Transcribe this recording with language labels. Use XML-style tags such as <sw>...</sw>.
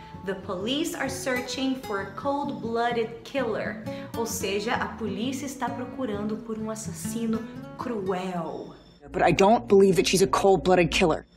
<en>The police are searching for a cold-blooded killer.</en> <pt>Ou seja, a polícia está procurando por um assassino cruel.</pt> <en>But I don't believe that she's a cold-blooded killer.</en>